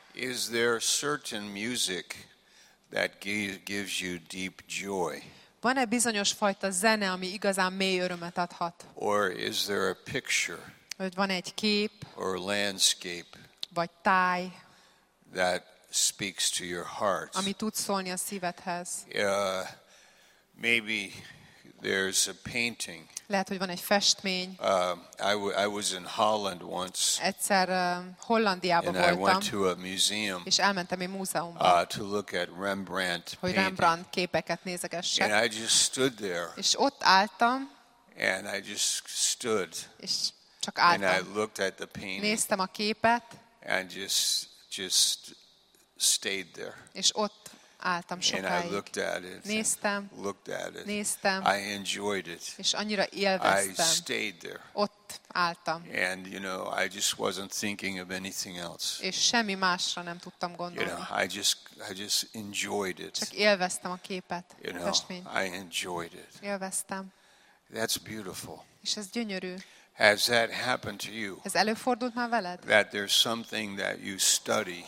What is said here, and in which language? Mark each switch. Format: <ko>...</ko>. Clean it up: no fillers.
<en>Is there certain music that gives you deep joy?</en> <hu>Van-e bizonyos fajta zene, ami igazán mély örömet adhat?</hu> <en>Or is there a picture?</en> <hu>Vagy van egy kép?</hu> <en>Or landscape?</en> <hu>Vagy táj?</hu> <en>That speaks to your heart.</en> <hu>Ami tud szólni a szívedhez.</hu> <en>Maybe there's a painting.</en> <hu>Lehet, hogy van egy festmény.</hu> <en>I was in Holland once.</en> <hu>Egyszer Hollandiában voltam.</hu> <en>And I went to a museum.</en> <hu>És elmentem egy múzeumban.</hu> <en>To look at Rembrandt painting.</en> <hu>Hogy Rembrandt képeket nézegessek.</hu> <en>And I just stood there.</en> <hu>És ott álltam.</hu> <en>And I just stood.</en> <hu>És csak álltam.</hu> <en>And I looked at the painting.</en> <hu>Néztem a képet.</hu> <en>And just stayed there.</en> <hu>És ott álltam sokáig.</hu> <en>And I looked at it.</en> <hu>Néztem.</hu> <en>Looked at it.</en> <hu>Néztem.</hu> <en>I enjoyed it.</en> <hu>És annyira élveztem.</hu> <en>I stayed there.</en> <hu>Ott álltam.</hu> <en>And you know, I just wasn't thinking of anything else.</en> <hu>És semmi másra nem tudtam gondolni.</hu> <en>You know, I just enjoyed it.</en> <hu>Csak élveztem a képet.</hu> <en>You know, I enjoyed it.</en> <hu>Élveztem.</hu> <en>That's beautiful.</en> <hu>És ez gyönyörű.</hu> <en>Has that happened to you?</en> <hu>Ez előfordult már veled?</hu> <en>That there's something that you study.</en>